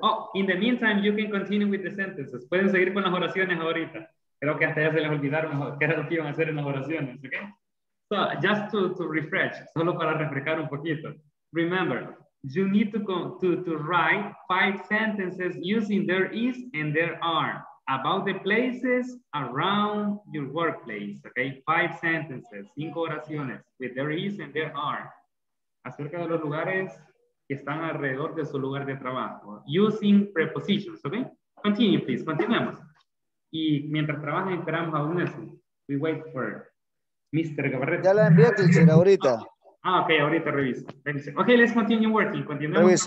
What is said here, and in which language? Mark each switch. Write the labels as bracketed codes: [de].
[en] Oh, in the meantime, you can continue with the sentences. [es] Pueden seguir con las oraciones ahorita. Creo que hasta ya se les olvidaron qué era lo que iban a hacer en las oraciones, okay? [en] So, just to refresh, [es] solo para refrescar un poquito. [en] Remember, you need to write 5 sentences using there is and there are about the places around your workplace, okay? 5 sentences, [es] 5 oraciones [en] with there is and there are. [es] Acerca de los lugares que están alrededor de su lugar de trabajo. [en] Using prepositions, ¿ok? Continue, please. [es] Continuemos. Y mientras trabajan, esperamos a UNESCO. [en] We wait for Mr. Gabarrete. [es] Ya la envié, teacher, ahorita. [en] Ah, ok, [es] ahorita reviso. [en] Ok, let's continue working. [es] Continuemos.